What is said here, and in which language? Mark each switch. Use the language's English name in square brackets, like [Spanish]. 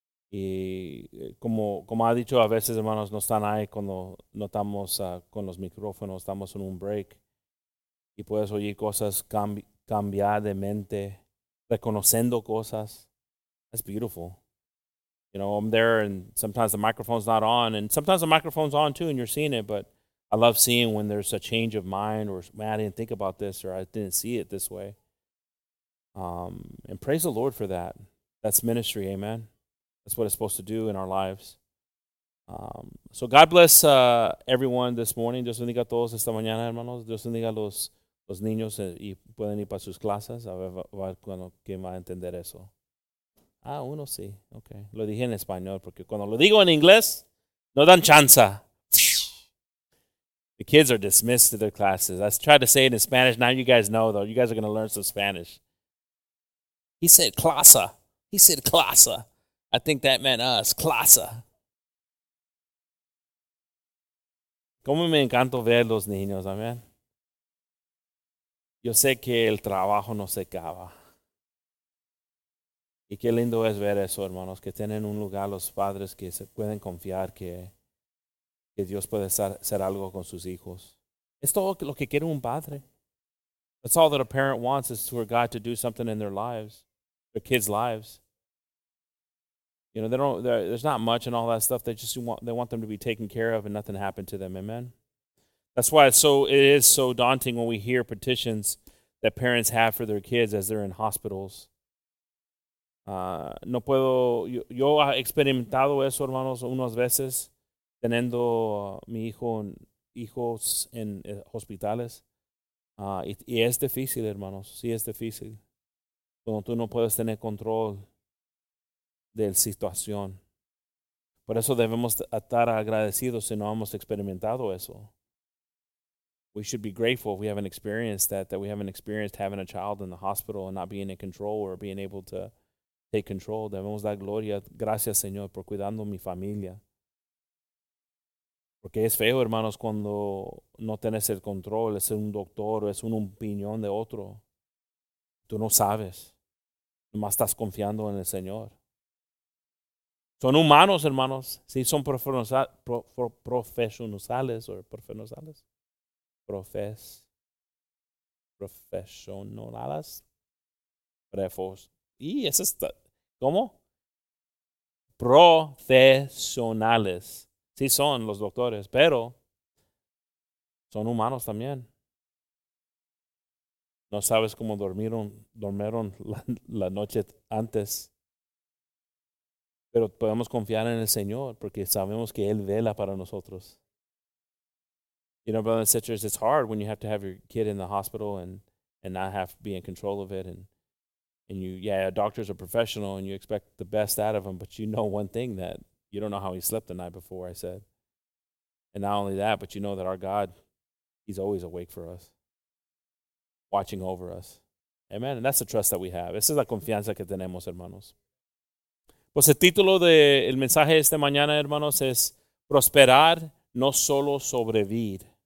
[Spanish] Y como ha dicho, a veces, hermanos, no están ahí cuando no estamos con los micrófonos, estamos en un break. Y puedes oír cosas, cambiar de mente, reconociendo cosas. [English] That's beautiful. You know, I'm there and sometimes the microphone's not on. And sometimes the microphone's on too and you're seeing it. But I love seeing when there's a change of mind or, man, I didn't think about this or I didn't see it this way. And praise the Lord for that. That's ministry, amen. That's what it's supposed to do in our lives. So God bless everyone this morning. [Spanish] Dios bendiga a todos esta mañana, hermanos. Dios bendiga a los niños y pueden ir para sus clases. A ver cuando, quién va a entender eso. Ah, uno sí. Okay. Lo dije en español porque cuando lo digo en inglés, no dan chance. [English] The kids are dismissed to their classes. I tried to say it in Spanish. Now you guys know, though. You guys are going to learn some Spanish. He said clasa. He said clasa. I think that meant us. Clasa. [Spanish] Como me encanta ver los niños, amén. Yo sé que el trabajo no se acaba. Y qué lindo es ver eso, hermanos, que tienen un lugar los padres que se pueden confiar que Dios puede hacer algo con sus hijos. Es todo lo que quiere un padre. [English] That's all that a parent wants is for God to do something in their lives. Their kids' lives. You know, there's not much and all that stuff. They want them to be taken care of and nothing happened to them. Amen. That's why it is so daunting when we hear petitions that parents have for their kids as they're in hospitals. [Spanish] No puedo. Yo he experimentado eso, hermanos, unas veces teniendo mi hijos en hospitales. Y es difícil, hermanos. Sí, es difícil. Cuando tú no puedes tener control de la situación. Por eso debemos estar agradecidos si no hemos experimentado eso. [English] We should be grateful if we haven't experienced that we haven't experienced having a child in the hospital and not being in control or being able to take control. [Spanish] Debemos dar gloria, gracias Señor, por cuidando mi familia. Porque es feo, hermanos, cuando no tienes el control, es un doctor o es una opinión de otro. Tú no sabes. Nomás estás confiando en el Señor. Son humanos, hermanos. Sí, son profesionales. Sí, son los doctores, pero son humanos también. No sabes cómo dormieron la noche antes. Pero podemos confiar en el Señor porque sabemos que Él vela para nosotros. [English] You know, brothers and sisters, it's hard when you have to have your kid in the hospital and not have to be in control of it. And doctors are professional and you expect the best out of them, but you know one thing, that you don't know how he slept the night before, I said. And not only that, but you know that our God, he's always awake for us, watching over us. Amen. And that's the trust that we have. [Spanish] Esa es la confianza que tenemos, hermanos. Pues el título del mensaje de esta mañana, hermanos, es Prosperar, no solo sobrevivir.